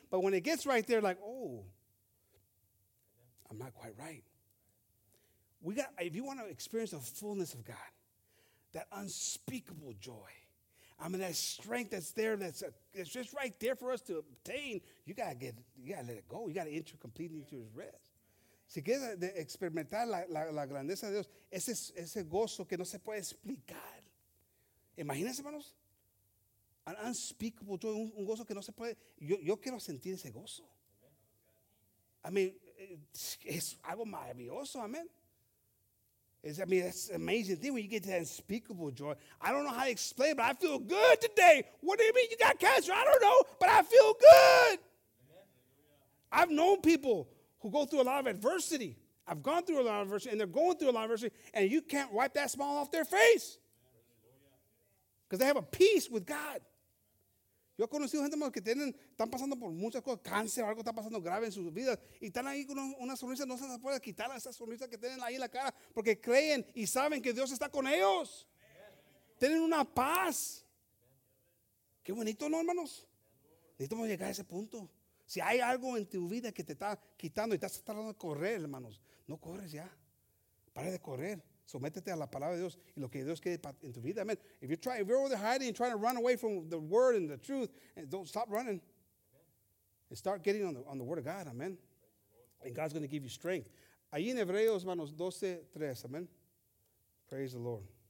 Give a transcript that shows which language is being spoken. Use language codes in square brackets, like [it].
[en] But when it gets right there, like, oh, I'm not quite right. If you want to experience the fullness of God, that unspeakable joy, I mean, that strength that's there, that's just right there for us to obtain, you gotta let it go. You gotta enter completely into His rest. [es] Si quieres experimentar la grandeza de Dios, ese gozo que no se puede explicar. Imagínense, hermanos, [en] an unspeakable joy, [es] un gozo que no se puede. Yo quiero sentir ese gozo. [en] I mean, [es] es algo maravilloso, amen. [en] That's an amazing thing when you get to that unspeakable joy. I don't know how to explain, but I feel good today. What do you mean you got cancer? I don't know, but I feel good. I've known people who go through a lot of adversity. I've gone through a lot of adversity, and they're going through a lot of adversity, and you can't wipe that smile off their face because they have a peace with God. [es] Yo he conocido gente que están pasando por muchas cosas, cáncer, algo está pasando grave en sus vidas, y están ahí con una sonrisa, no se les puede quitar esa sonrisa que tienen ahí en la cara, porque creen y saben que Dios está con ellos. Tienen una paz. Qué bonito, ¿no, hermanos? Necesitamos llegar a ese punto. Si hay algo en tu vida que te está quitando y estás tratando de correr, hermanos, no corres ya. Para de correr. Sométete a la palabra de Dios y lo que Dios quiere en tu vida. Amen. [en] If you're over there hiding and trying to run away from the word and the truth, don't stop running. And start getting on the Word of God, amen. And God's going to give you strength. [es] Allí en Hebreos, hermanos, 12, 3, amen. [en] Praise the Lord.